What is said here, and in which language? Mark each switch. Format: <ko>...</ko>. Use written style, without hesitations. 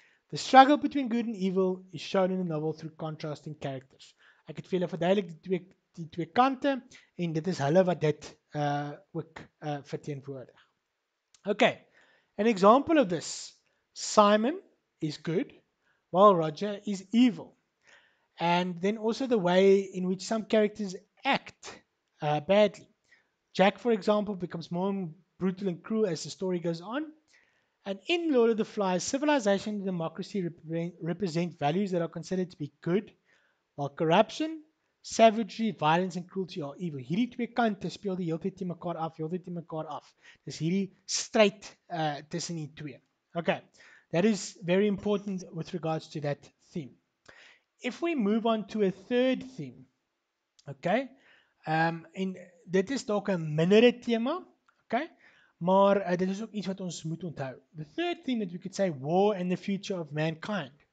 <en>The struggle between good and evil is shown in the novel through contrasting characters.</en> <af>Ek het vir julle verduidelik die twee kante, en dit is hulle wat dit ook verteenwoordig.</af> <en>Okay, an example of this, Simon is good, while Roger is evil. And then also the way in which some characters act badly. Jack, for example, becomes more brutal and cruel as the story goes on. And in Lord of the Flies, civilization and democracy represent values that are considered to be good, while corruption, savagery, violence and cruelty are evil.</en> <af>Hierdie twee kante speel die hele tyd te mekaar af, Dis hierdie stryd tussen die twee. Okay.</af> <en>That is very important with regards to that theme. If we move on to a third theme,</en> <af>okay, en dit is dalk 'n minderre tema, okay, maar dit is ook iets wat ons moet onthou.</af> <en>The third theme that we could say, war and the future of mankind.</en>